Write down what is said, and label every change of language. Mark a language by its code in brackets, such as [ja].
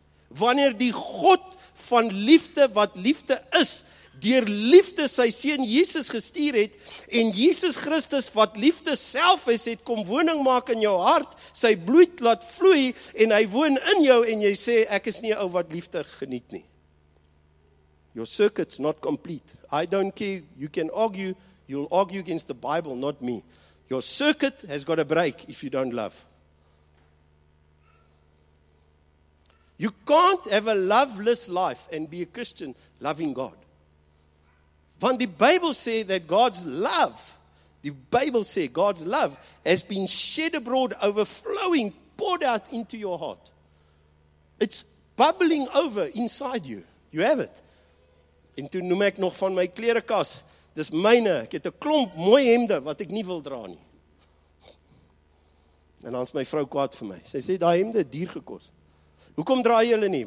[af] Wanneer die God van liefde wat liefde is, deur liefde sy seun Jesus gestuur het, en Jesus Christus wat liefde self is, het kom woning maak in jou hart, sy bloed laat vloei, en hy woon in jou, en jy sê, ek is nie 'n ou wat liefde geniet nie. [en] Your circuit's not complete. I don't care, you can argue, you'll argue against the Bible, not me. Your circuit has got a break if you don't love. You can't have a loveless life and be a Christian loving God. [af] Want die Bybel sê [en] that God's love, [af] die Bybel sê [en] God's love has been shed abroad, overflowing, poured out into your heart. It's bubbling over inside you. You have it. [af] En toe noem ek nog van my klerekas, dis myne, ek het 'n klomp mooi hemde wat ek nie wil dra nie. En dan is my vrou kwaad vir my. Sy sê, daai hemde het duur gekos. Hoekom draai jy hulle nie?